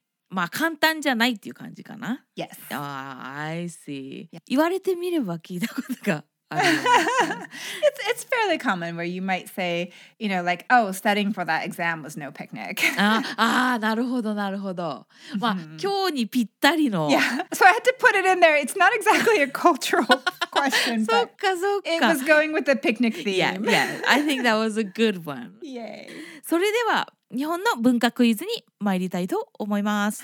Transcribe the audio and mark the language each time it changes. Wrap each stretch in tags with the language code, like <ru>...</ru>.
<ja>まあ簡単じゃないっていう感じかな。</ja> <en>Yes. I see.</en> <ja>言われてみれば聞いたことが。</ja> <en>it's fairly common where you might say, you know, like, oh, studying for that exam was no picnic.</en> <ja>ah, なるほど、なるほど。まあ、今日にぴったりの。</ja> <en>Yeah, so I had to put it in there. It's not exactly a cultural question,</en> <ja>そっかそっか</ja> <en>but it was going with the picnic theme. yeah, yeah, I think that was a good one. Yay.</en> <ja>それでは、日本の文化クイズに参りたいと思います。</ja>